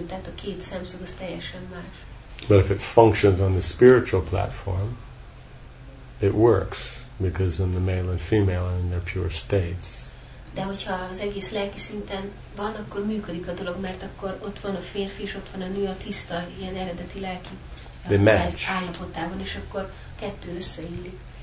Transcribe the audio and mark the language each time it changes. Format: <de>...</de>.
<hu>Tehát a két szemszög az teljesen más.</hu> <en>But if it functions on the spiritual platform, it works, because in the male and female are in their pure states.</en> <hu>De hogyha az egész lelki szinten van, akkor működik a dolog, mert akkor ott van a férfi, és ott van a nő a tiszta, ilyen eredeti lelki állapotában, és akkor kettő összeillik.</hu>